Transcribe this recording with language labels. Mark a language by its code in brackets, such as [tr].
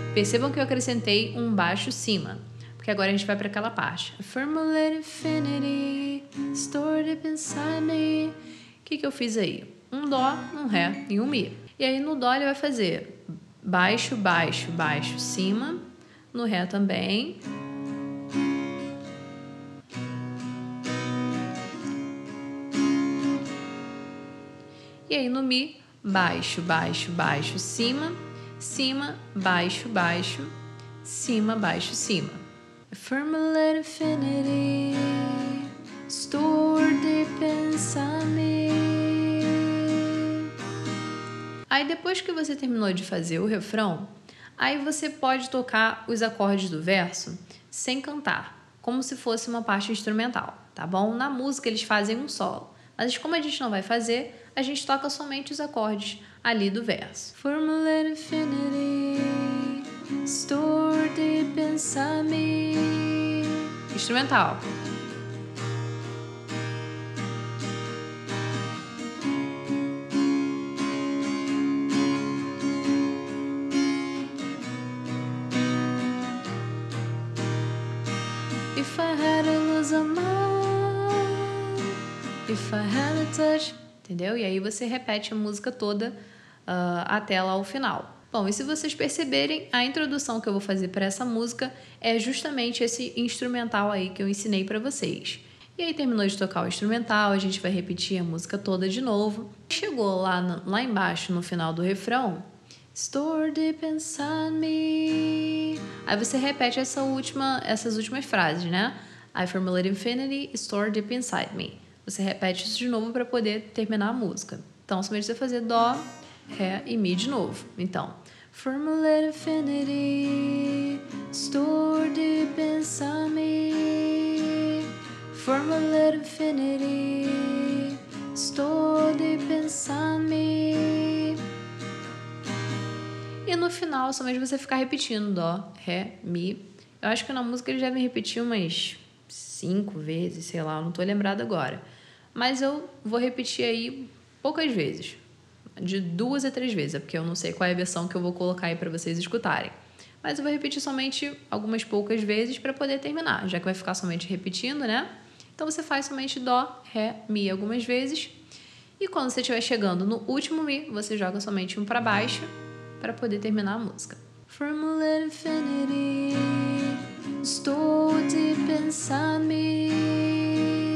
[pt] Percebam que eu acrescentei um baixo cima, porque agora a gente vai para aquela parte. [en] Formulate infinity, stored deep inside me. [pt] O que eu fiz aí? Um Dó, um Ré e um Mi. E aí no Dó ele vai fazer baixo, baixo, baixo, cima. No Ré também. E aí no Mi, baixo, baixo, baixo, cima, cima, baixo, baixo, cima, baixo, cima. [en] Formulate infinity, store deep inside me. [pt] Aí depois que você terminou de fazer o refrão, aí você pode tocar os acordes do verso sem cantar, como se fosse uma parte instrumental, tá bom? Na música eles fazem um solo, mas como a gente não vai fazer, a gente toca somente os acordes ali do verso. [en] Formulate infinity, store deep inside me. Instrumental. If I had to lose a mind, if I had a touch. [pt] Entendeu? E aí você repete a música toda até lá o final. Bom, e se vocês perceberem, a introdução que eu vou fazer para essa música é justamente esse instrumental aí que eu ensinei para vocês. E aí terminou de tocar o instrumental, a gente vai repetir a música toda de novo. Chegou lá embaixo no final do refrão. [en] Store deep inside me. [pt] Aí você repete essas últimas frases, né? [en] I formulate infinity, store deep inside me. [pt] Você repete isso de novo para poder terminar a música. Então, somente você fazer Dó, Ré e Mi de novo. Então, [en] formulate infinity, store deep inside me. Formulate infinity, store deep inside me. [pt] E no final, somente você ficar repetindo Dó, Ré, Mi. Eu acho que na música eles devem repetir umas 5 vezes, sei lá, eu não tô lembrada agora. Mas eu vou repetir aí poucas vezes, de 2 a 3 vezes, porque eu não sei qual é a versão que eu vou colocar aí para vocês escutarem. Mas eu vou repetir somente algumas poucas vezes para poder terminar, já que vai ficar somente repetindo, né? Então você faz somente Dó, Ré, Mi algumas vezes. E quando você estiver chegando no último Mi, você joga somente um para baixo para poder terminar a música. [en] Formulate infinity, store deep inside me.